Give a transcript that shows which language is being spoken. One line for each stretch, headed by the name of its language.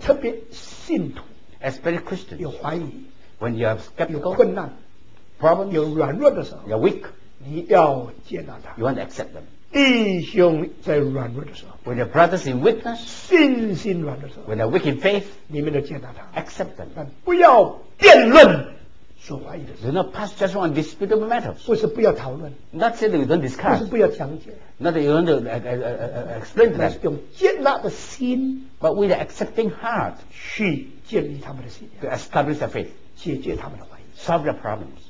Chinese: 特别信徒
English: Especially Christians
Chinese: 有怀疑
English: When you are skeptical
Chinese: 有困难
English: Problems
Chinese: 有软弱的时候
English: You're weak
Chinese: 你要接纳他
English: You want to accept them
Chinese: 弟兄在软弱的时候
English: When your brothers in weakness
Chinese: 信心软的时候
English: When they're weak in faith
Chinese: 你们都接纳他
English: Accept them
Chinese: 但不要辩论所怀疑的事
English: Do not pass just on disputable matters
Chinese: 不是不要讨论
English: Not say that you don't discuss
Chinese: 不是不要讲解
English: Not that you don't explain to them
Chinese: 是用接纳的心
English: But with an accepting heart
Chinese: 去建立他们的信仰
English: To establish their faith
Chinese: 解决他们的怀疑
English: Solve their problems